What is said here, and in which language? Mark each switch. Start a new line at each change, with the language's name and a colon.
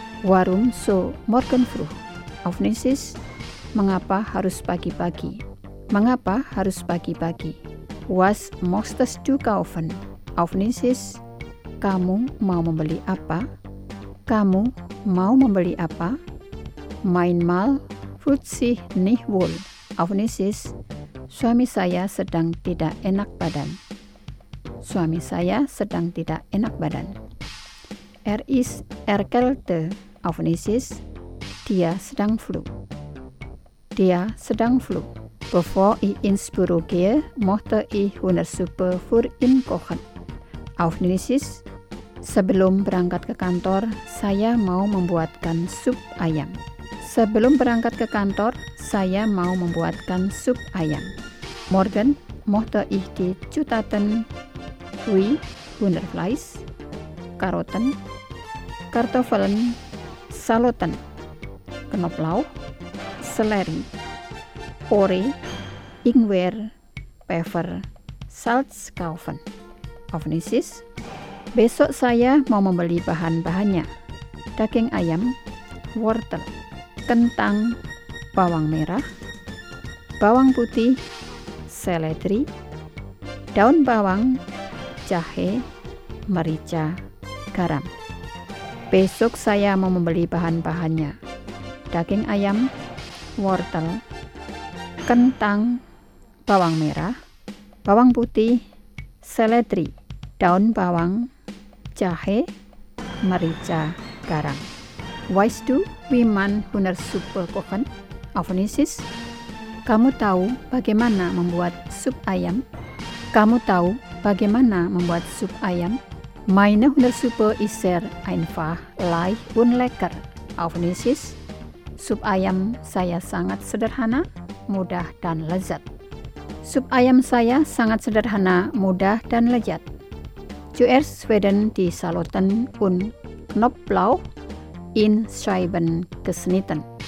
German: Warum so morgen früh? Auf Indonesisch.
Indonesian: Mengapa harus pagi-pagi? Mengapa harus pagi-pagi?
German: Was möchtest du kaufen? Auf Indonesisch.
Indonesian: Kamu mau membeli apa? Kamu mau membeli apa?
German: Mein Mal fühlt sich nicht wohl. Auf Indonesisch.
Indonesian: Suami saya sedang tidak enak badan. Suami saya sedang tidak enak badan.
German: Er ist erkältet. Auf Indonesisch.
Indonesian: Dia sedang flu. Dia sedang flu.
German: Bevor ich ins Büro gehe, möchte ich Hühnersuppe für ihn kochen. Auf Indonesisch.
Indonesian: Sebelum berangkat ke kantor, saya mau membuatkan sup ayam. Sebelum berangkat ke kantor, saya mau membuatkan sup ayam.
German: Morgen möchte ich die Zutaten wie Hühnerfleisch, Karotten, Kartoffeln, Saloten, Knoblauch, Sellerie, Ori, Ingwer, Pfeffer, Salz kaufen. Auf Indonesisch.
Indonesian: Besok saya mau membeli bahan-bahannya. Daging ayam, wortel, kentang, bawang merah, bawang putih, seledri, daun bawang, jahe, merica, garam. Besok saya mau membeli bahan-bahannya. Daging ayam, wortel, kentang, bawang merah, bawang putih, seledri, daun bawang, jahe, merica, garam.
German: Weißt du, wie man Hühnersuppe kochen? Auf Indonesisch.
Indonesian: Kamu tahu bagaimana membuat sup ayam? Kamu tahu bagaimana membuat sup ayam?
German: Meine Hühnersuppe ist sehr einfach, leicht und lecker. Auf Indonesisch.
Indonesian: Sup ayam saya sangat sederhana, mudah dan lezat. Sup ayam saya sangat sederhana, mudah dan lezat.
German: Zuerst werden die Saloten und Knoblauch in Scheiben geschnitten.